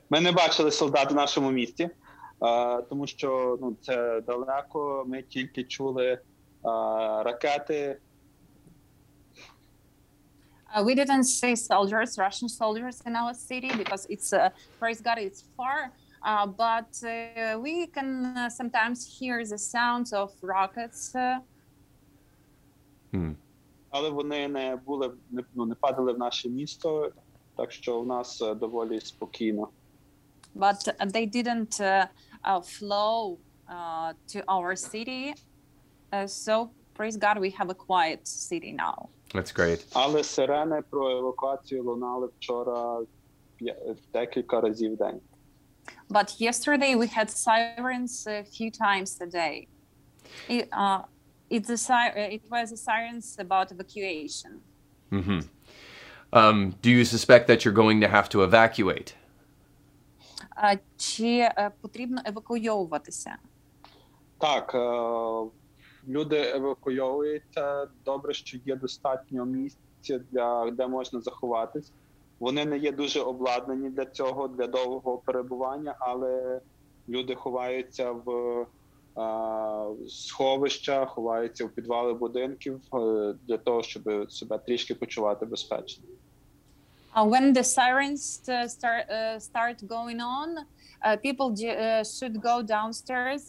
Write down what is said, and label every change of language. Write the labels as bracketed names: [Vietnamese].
[Ukrainian] Ми не бачили солдат в нашому місті, тому що це далеко, ми тільки чули ракети. [English] We didn't see soldiers, Russian soldiers in our city because it's, praise God, it's far. But we can sometimes hear the sounds of rockets. [Ukrainian] Але вони не були, не падали в наше місто, так що у нас доволі спокійно. [English] But they didn't flow to our city. So, praise God, we have a quiet city now. That's great. [Ukrainian] Але сирени про евакуацію лунали вчора декілька разів в день. [English] But yesterday we had sirens a few times a day. It was a sirens about evacuation. Mm-hmm. Do you suspect that you're going to have to evacuate? [Ukrainian] чи потрібно евакуйовуватися? Так, люди евакуйовуються. Добре, що є достатньо місця, де можна заховатись. Вони не є дуже обладнані для цього, для довгого перебування, але люди ховаються в сховища, ховаються в підвали будинків для того, щоб себе трішки почувати безпечно. [English] When the sirens start going on, people should go downstairs.